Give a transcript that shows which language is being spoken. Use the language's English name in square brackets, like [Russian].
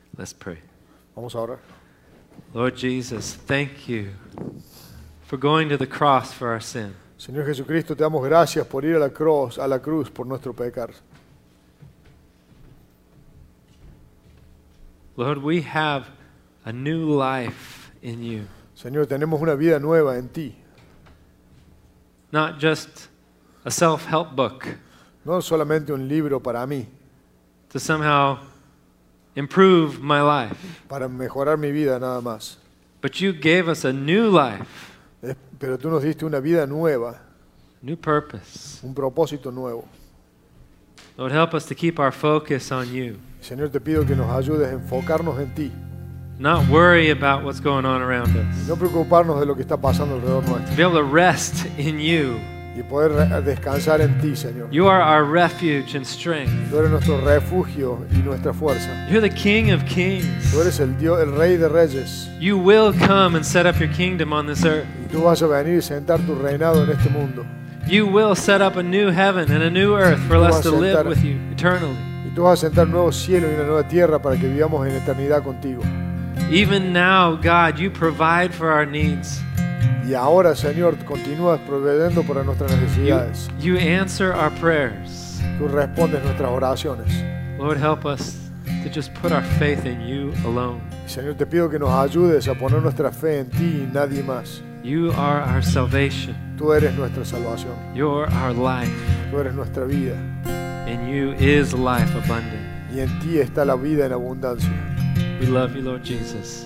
[English] Let's pray. [Spanish] Vamos a orar. [English] Lord Jesus, thank you for going to the cross for our sin. [Spanish] Señor Jesucristo, te damos gracias por ir a la cruz por nuestro pecar. [English] Lord, we have a new life in you. [Spanish] Señor, tenemos una vida nueva en ti. [English] Not just a self-help book. [Spanish] No solamente un libro para mí. [English] To somehow improve my life. [Spanish] Para mejorar mi vida nada más. [English] But you gave us a new life. [Spanish] Pero tú nos diste una vida nueva. [English] New purpose. [Spanish] Un propósito nuevo. [English] Lord, help us to keep our focus on you. [Spanish] Señor, te pido que nos ayudes a enfocarnos en ti. [English] Not worry about what's going on around us. [Spanish] No preocuparnos de lo que está pasando alrededor nuestro. [English] Be able to rest in you. [Spanish] Y poder descansar en ti, Señor. [English] You are our refuge and strength. [Spanish] Tú eres nuestro refugio y nuestra fuerza. [English] You're the King of Kings. [Spanish] Tú eres el Rey de Reyes. [English] You will come and set up your kingdom on this earth. [Spanish] Y tú vas a venir y sentar tu reinado en este mundo. [English] You will set up a new heaven and a new earth for us to live with you eternally. [Spanish] Y tú vas a sentar un nuevo cielo y una nueva tierra para que vivamos en eternidad contigo. [English] Even now, God, you provide for our needs. [Spanish] Y ahora, Señor, continúas proveyendo para nuestras necesidades. [English] You answer our prayers. [Spanish] Tú respondes nuestras oraciones. [English] Lord, help us to just put our faith in you alone. [Spanish] Señor, te pido que nos ayudes a poner nuestra fe en ti y nadie más. [English] You are our salvation. [Spanish] Tú eres nuestra salvación. [English] You're our life. [Spanish] Tú eres nuestra vida. [English] In you is life abundant. [Spanish] Y en ti está la vida en abundancia. [English] We love you, Lord Jesus.